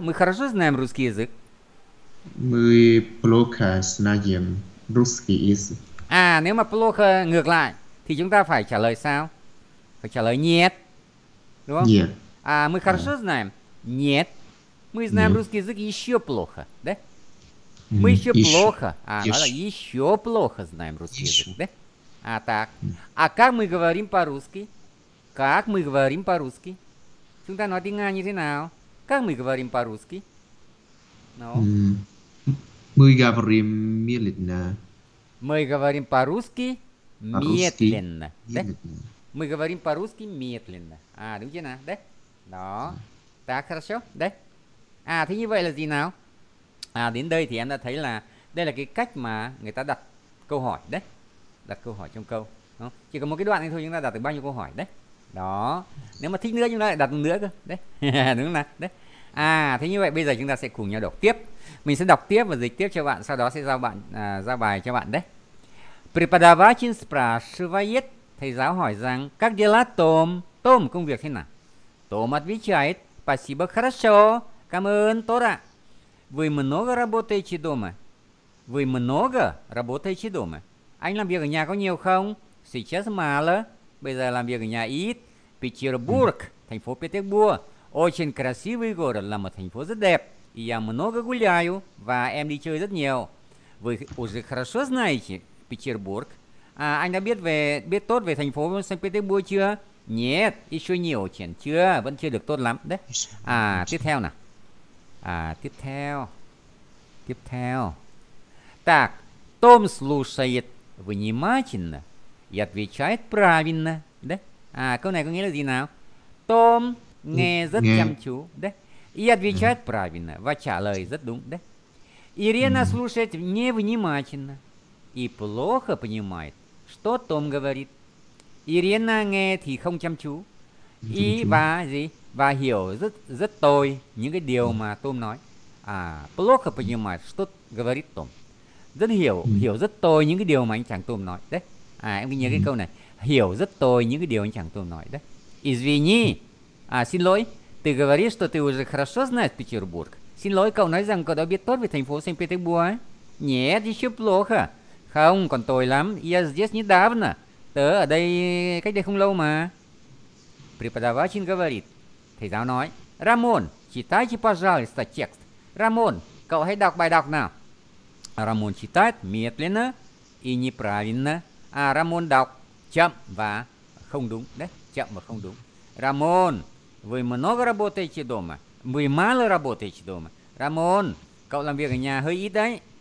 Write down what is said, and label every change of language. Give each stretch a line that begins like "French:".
Russian: Мы хорошо знаем русский язык. Мы плохо знаем русский язык.
Vietnamese: À, nếu mà плохо ngược lại thì chúng ta phải trả lời sao? Phải trả lời нет. Đúng không?
Russian: Нет. À, мы хорошо знаем. Нет. Мы знаем русский язык еще плохо. Да? Мы еще плохо. А, еще плохо знаем русский язык. Да? А, так. А как мы говорим по-русски? Как мы говорим по-русски?
Vietnamese: Chúng ta nói tiếng Anh như thế nào?
Russian: Как мы говорим по-русски? Мы говорим медленно. Мы говорим по-русски медленно. Да? Мы говорим по-русски медленно.
Vietnamese: А, đúng chưa nào? Да? Đó.
Russian: Так, хорошо.
Vietnamese: Да? À, thế như vậy là gì nào? À, đến đây thì em đã thấy là đây là cái cách mà người ta đặt câu hỏi đấy. Đặt câu hỏi trong câu. Đúng không? Chỉ còn một cái đoạn này thôi chúng ta đặt được bao nhiêu câu hỏi đấy. Đó. Nếu mà thích nữa chúng ta lại đặt nữa cơ. Đấy. Đúng không nào? Đấy. À, thế như vậy bây giờ chúng ta sẽ cùng nhau đọc tiếp. Mình sẽ đọc tiếp và dịch tiếp cho bạn, sau đó sẽ giao bạn giao bài cho bạn đấy.
Russian: Преподаватель спрашивает,
Vietnamese: thầy giáo hỏi rằng các дела Том? Том, công việc thế nào?
Russian: Том отвечает, спасибо, хорошо.
Vietnamese: Cảm ơn, tốt ạ.
Russian: Вы много работаете дома? Вы много работаете дома?
Vietnamese: Anh làm việc ở nhà có nhiều không?
Russian: Сейчас мало.
Vietnamese: Bây giờ làm việc ở nhà ít. Петербург, thành phố Петербург.
Russian: Очень красивый город,
Vietnamese: là một thành phố rất đẹp.
Russian: Я много гуляю,
Vietnamese: và em đi chơi rất nhiều.
Russian: Вы уже хорошо знаете Петербург?
Vietnamese: À, anh đã biết về biết tốt về thành phố Saint Petersburg chưa?
Russian: Нет, еще не очень.
Vietnamese: Chưa, vẫn chưa được tốt lắm. Đấy. À, tiếp theo nào. À, tiếp theo. Tiếp theo.
Russian: Так, Том слушает внимательно и отвечает правильно.
Vietnamese: Đấy. À, câu này có nghĩa là gì nào? Том nghe rất chăm chú. Đấy.
Russian: И отвечает правильно.
Vietnamese: Và trả lời rất đúng. Đấy.
Russian: Ирина слушает невнимательно. И плохо понимает, что Том говорит.
Vietnamese: Ирина nghe thì không chăm chú. И và gì? Và hiểu rất rất tồi những cái điều mà Том nói.
Russian: À, плохо понимает, что говорит Том.
Vietnamese: Rất hiểu, hiểu rất tồi những cái điều mà anh chàng Том nói. Đấy. À, em nhớ cái câu này. Hiểu rất tồi những cái điều anh chàng Том nói. Đấy.
Russian: Извини.
Vietnamese: À, xin lỗi.
Russian: Ты говоришь, что ты уже хорошо знаешь Петербург.
Vietnamese: Xin lỗi, cậu nói rằng cậu đã biết tốt về thành phố Saint Petersburg ấy.
Russian: Нет, еще плохо.
Vietnamese: Không, còn tồi lắm.
Russian: Я здесь недавно.
Vietnamese: Tớ ở đây cách đây không lâu mà.
Russian: Преподаватель говорит.
Vietnamese: Thầy giáo nói.
Russian: Рамон, читайте, пожалуйста, текст.
Vietnamese: Рамон, cậu hãy đọc bài đọc nào.
Russian: Рамон читает медленно и неправильно.
Vietnamese: Ramon đọc chậm và không đúng. Đấy, chậm và không đúng.
Russian: Ramon, вы много работаете дома? Вы мало работаете дома?
Vietnamese: Ramon, cậu làm việc ở nhà hơi ít đấy.